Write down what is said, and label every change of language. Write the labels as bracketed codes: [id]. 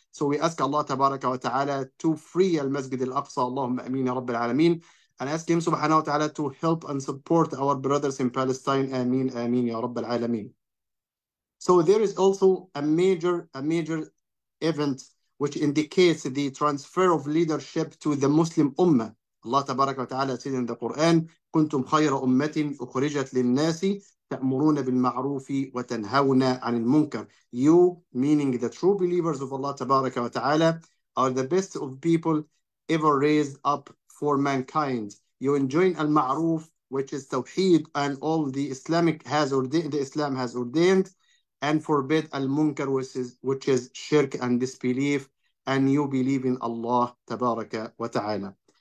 [en] So we ask Allah tabaraka wa ta'ala to free al-Masjid al-Aqsa, Allahumma ameen ya rabbil alameen, and ask him subhanahu wa ta'ala to help and support our brothers in Palestine, ameen, ameen ya rabbil alameen. So there is also a major event which indicates the transfer of leadership to the Muslim Ummah. Allah tabaraka wa ta'ala said in the Quran, [ar] كنتم خير أمة أخرجت للناس تأمرون بالمعروف وتنهون عن المنكر. [en] You, meaning the true believers of Allah tabaraka wa ta'ala, are the best of people ever raised up for mankind. You enjoin al-ma'ruf, which is tawheed, and all the Islam has ordained, and forbid al-munkar, which is shirk and disbelief, and you believe in Allah tabaraka wa ta'ala.